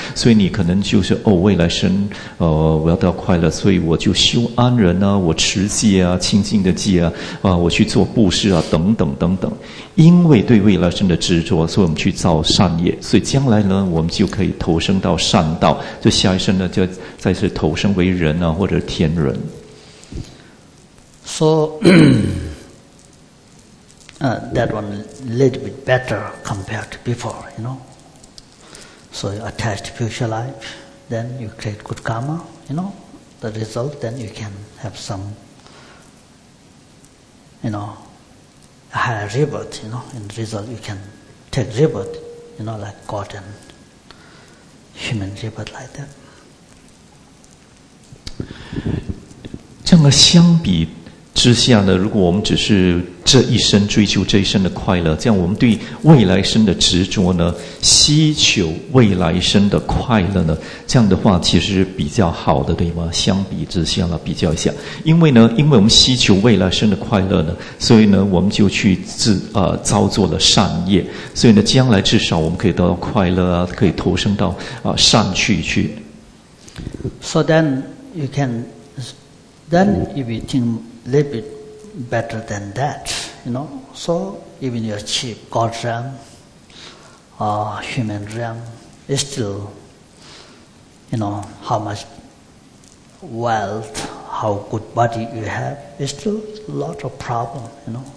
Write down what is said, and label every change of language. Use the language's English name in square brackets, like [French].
[Chinese] 所以你可能就是哦，未来生我要得到快乐，所以我就修安忍啊，我持戒啊，清净的戒啊，我去做布施啊，等等等等。因为对未来生的执着，所以我们去造善业，所以将来呢，我们就可以投生到善道，就下一生呢，就再次投生为人啊，或者天人。 [English] So, that one a little bit better compared to before, you know. So you attach to future life, then you create good karma, you know. The result, then you can have some you know, a higher rebirth, you know, in result you can take rebirth, you know, like God and human rebirth like that. [Chinese] 整个相比之下呢，如果我们只是这一生追求这一生的快乐，这样我们对未来生的执着呢，希求未来生的快乐呢，这样的话其实比较好的，对吗？相比之下呢，比较一下，因为呢，因为我们希求未来生的快乐呢，所以呢，我们就去造作了善业，所以呢，将来至少我们可以得到快乐啊，可以投生到善趣去。 [English] So then you can, then if you think a little bit better than that, you know. So even you achieve God's realm, human realm, it's still, you know, how much wealth, how good body you have, it's still a lot of problem, you know.